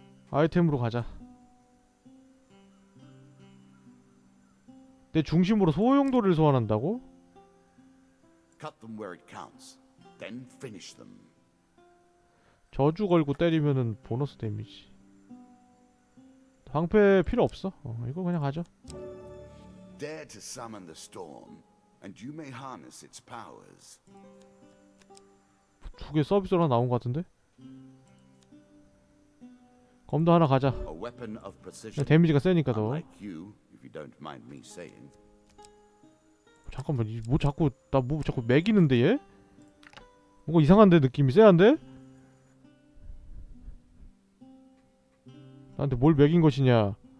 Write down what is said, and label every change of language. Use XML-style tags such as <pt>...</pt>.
<ko>아이템으로 가자. 내 중심으로 소용돌이를 소환한다고?</ko> <en>Cut them where it counts, then finish them.</en> <ko>저주 걸고 때리면은 보너스 데미지. 방패 필요 없어. 어, 이거 그냥 가져.</ko> <en>Dare to summon the storm, and you may harness its powers.</en> <ko>두 개 서비스로 나온 것 같은데? 검도 하나 가자. 데미지가 세니까 더.</ko> <en>Unlike you, if you don't mind me saying.</en> <ko>잠깐만, 뭐 자꾸 나 뭐 자꾸 매기는데 얘? 뭔가 이상한데 느낌이 세한데? 나한테 뭘 먹인 것이냐.</ko>